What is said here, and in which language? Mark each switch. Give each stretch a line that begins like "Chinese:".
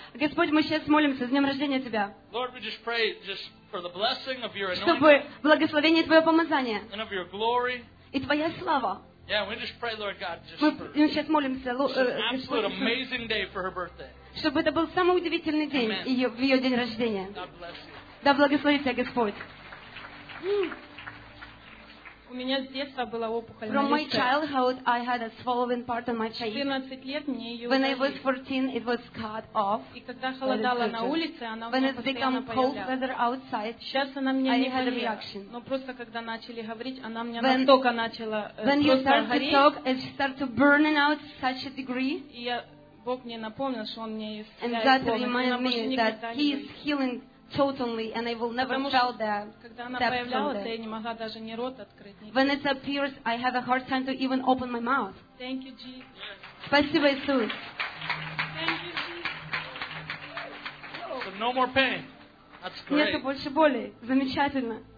Russian: Господь, мы сейчас молимся с днем рождения тебя.
English: Lord, we just pray just for the blessing of your anointing.
Russian: Чтобы благословение твое помазание.
English: And of your glory.
Russian: И твоя слава.
English: Yeah, we just pray, Lord God, just for an absolute amazing day for her birthday.
Russian: Чтобы это был самый удивительный день ее, в ее день рождения. Да благословит тебя Господь. У меня с детства была опухоль.
English: From my childhood, I had a swollen part on my face.
Russian: 14 лет мне ее.
English: When I was 14, it was cut off.
Russian: И когда холодало на улице, она
English: when it became cold weather outside,
Russian: сейчас она мне не болит. Но просто когда начали говорить, она мне настолько начала просто гореть.
English: When you start to burning out such a degree.
Russian: Бог мне напомнил, что он мне исцеляет.
English: And that reminded me that he is healing totally, and I will never fail there.
Russian: Когда она появлялась, я не могла даже ни рот открыть.
English: When it appears, I have a hard time to even open my mouth. Thank you, Jesus.
Russian: Спасибо, Иисус.
English: Thank you, Jesus. said, no more pain. That's great.
Russian: Нету больше боли. Замечательно.